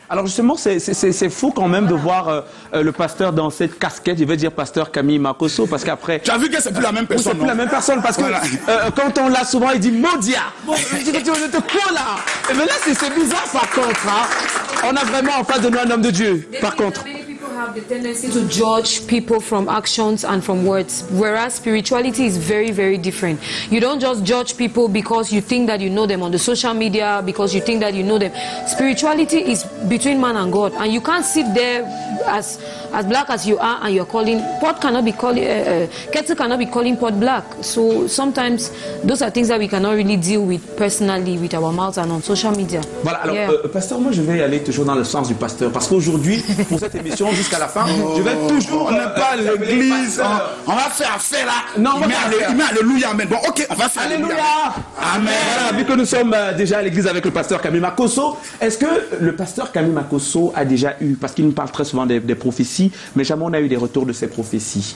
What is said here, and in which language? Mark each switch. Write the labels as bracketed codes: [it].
[fr] Alors justement, c'est fou quand même de voir le pasteur dans cette casquette. Je vais dire pasteur Camille Marcosso, parce qu'après... Tu as vu que c'est plus la même personne, c'est plus la même personne, parce que quand on l'a souvent, il dit « Maudia bon, !» Je te crois là. Mais là, c'est bizarre par contre. Hein. On a vraiment en face de nous un homme de Dieu, par contre. [en] Have the tendency to judge people from actions and from words, whereas spirituality is very, very different. You don't just judge people because you think that you know them on the social media, because you think that you know them. Spirituality is between man and God, and you can't sit there as black as you are and you're calling pot cannot be calling kettle cannot be calling pot black. So sometimes those are things that we cannot really deal with personally with our mouths and on social media. [fr] Voilà, alors, pasteur, moi je vais aller toujours dans le sens du pasteur, parce qu'aujourd'hui, pour cette émission, jusqu'à jusqu'à la fin. Je vais toujours ne pas l'église. On va faire affaire là. Non, il met alléluia. Amen. Bon, ok, on va faire alléluia. Amen. Voilà, vu que nous sommes déjà à l'église avec le pasteur Camille Makosso, est-ce que le pasteur Camille Makosso a déjà eu, parce qu'il nous parle très souvent des prophéties, mais jamais on a eu des retours de ces prophéties.